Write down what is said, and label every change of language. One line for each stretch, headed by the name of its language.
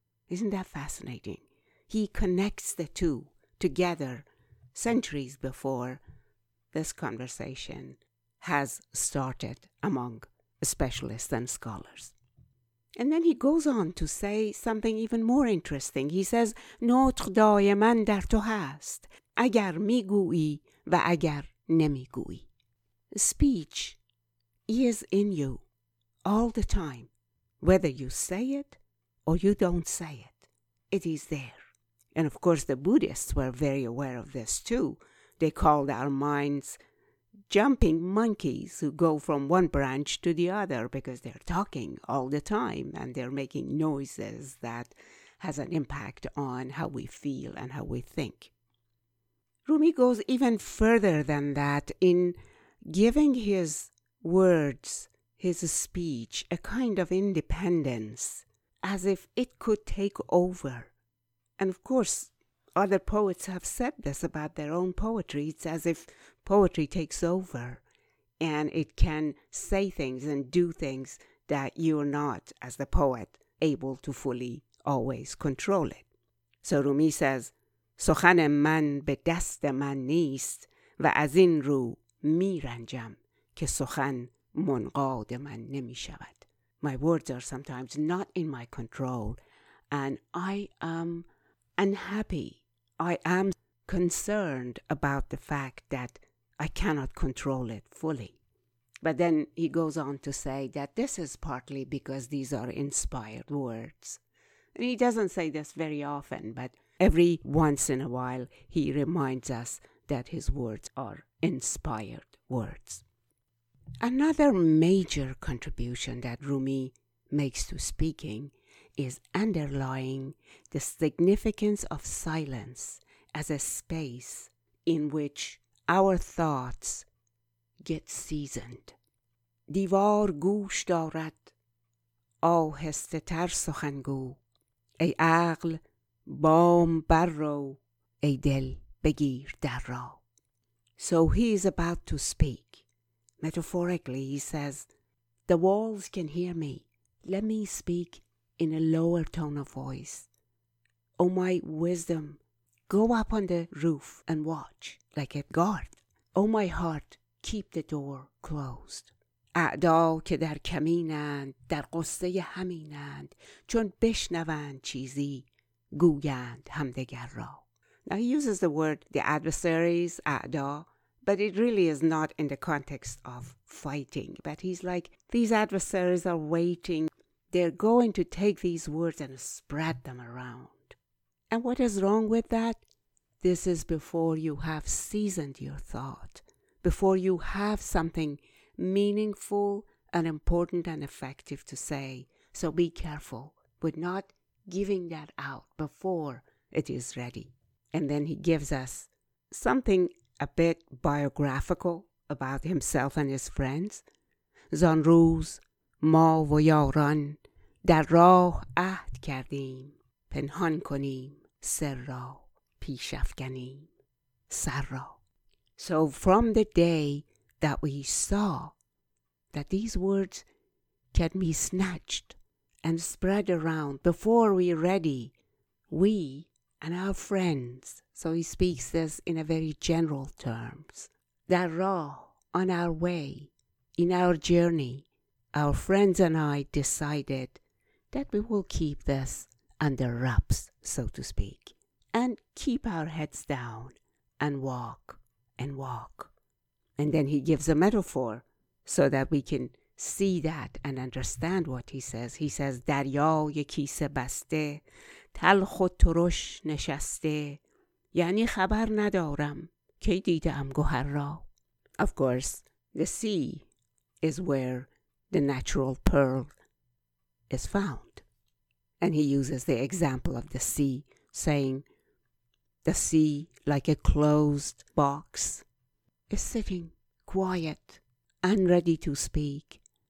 English: Isn't that fascinating? He connects the two together centuries before this conversation has started among specialists and scholars. And then he goes on to say something even more interesting. He says,
Persian: نطق دائما در تو هست اگر میگویی و اگر نمیگویی.
English: Speech is in you all the time, whether you say it or you don't say it. It is there. And of course, the Buddhists were very aware of this too. They called our minds jumping monkeys who go from one branch to the other because they're talking all the time and they're making noises that has an impact on how we feel and how we think. Rumi goes even further than that in giving his words, his speech, a kind of independence, as if it could take over. And of course, other poets have said this about their own poetry. It's as if poetry takes over and it can say things and do things that you're not, as the poet, able to fully always control it. So Rumi says,
Persian: سخن من به دست من نیست و از این رو می رنجم که سخن منقاد من نمی شود.
English: My words are sometimes not in my control and I am unhappy. I am concerned about the fact that I cannot control it fully. But then he goes on to say that this is partly because these are inspired words. And he doesn't say this very often, but every once in a while he reminds us that his words are inspired words. Another major contribution that Rumi makes to speaking is underlying the significance of silence as a space in which our thoughts get seasoned.
Persian: دیوار گوش دارد آهسته تر سخنگو ای عقل بام بر رو ای دل بگیر در را.
English: So he is about to speak. Metaphorically, he says, the walls can hear me. Let me speak in a lower tone of voice. O my wisdom, go up on the roof and watch like a guard. O my heart, keep the door closed.
Persian: اعدا که در کمینند در قصه همینند چون بشنوند چیزی گویند همدگر را.
English: Now he uses the word the adversaries, اعدا, but it really is not in the context of fighting. But he's like, these adversaries are waiting. They're going to take these words and spread them around. And what is wrong with that? This is before you have seasoned your thought, before you have something meaningful and important and effective to say. So be careful with not giving that out before it is ready. And then he gives us something a bit biographical about himself and his friends.
Persian: زان روز ما و یاران در راه عهد کردیم پنهان کنیم سر را پیش افکنیم سر را.
English: So from the day that we saw that these words can be snatched and spread around before we're ready, we and our friends, so he speaks this in a very general terms,
Persian: در راه,
English: on our way, in our journey, our friends and I decided that we will keep this under wraps, so to speak, and keep our heads down and walk and walk. And then he gives a metaphor so that we can see that and understand what he says. He says,
Persian: دریای کیسه بسته تلخ و ترش نشسته یعنی خبر ندارم که دیدم گوهر را.
English: Of course, the sea is where the natural pearl is found. And he uses the example of the sea, saying, the sea, like a closed box, is sitting quiet, unready to speak.